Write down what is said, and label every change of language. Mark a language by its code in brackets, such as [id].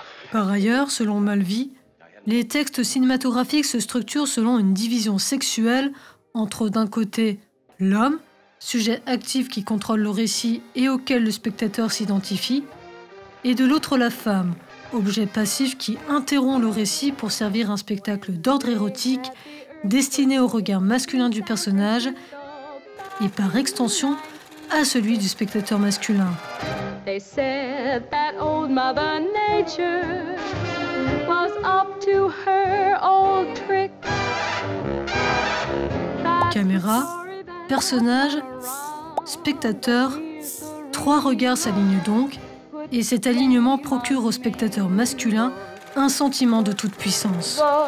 [fr] Par ailleurs, selon Mulvey, les textes cinématographiques se structurent selon une division sexuelle entre d'un côté l'homme, sujet actif qui contrôle le récit et auquel le spectateur s'identifie, et de l'autre la femme, objet passif qui interrompt le récit pour servir un spectacle d'ordre érotique destiné au regard masculin du personnage et par extension à celui du spectateur masculin. [en] They said that old Mother Nature was up to her old trick. [fr] Caméra, personnage, spectateur, trois regards s'alignent donc, et cet alignement procure au spectateur masculin un sentiment de toute puissance.